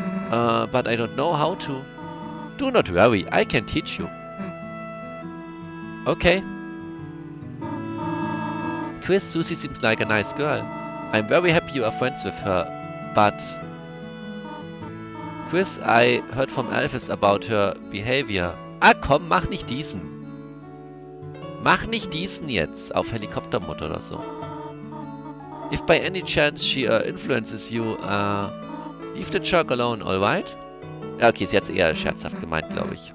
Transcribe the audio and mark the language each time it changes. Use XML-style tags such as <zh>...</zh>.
<en>But I don't know how to. Do not worry, I can teach you. Okay. Chris, Susie seems like a nice girl. I'm very happy you are friends with her, but... Chris, I heard from Alphys about her behavior.</en> <de>Ah, komm, mach nicht diesen. Mach nicht diesen jetzt, auf Helikoptermutter oder so.</de> <en>If by any chance she influences you, leave the jerk alone, alright?</en> <de>Ja, okay, sie hat's eher scherzhaft gemeint, glaube ich.</de>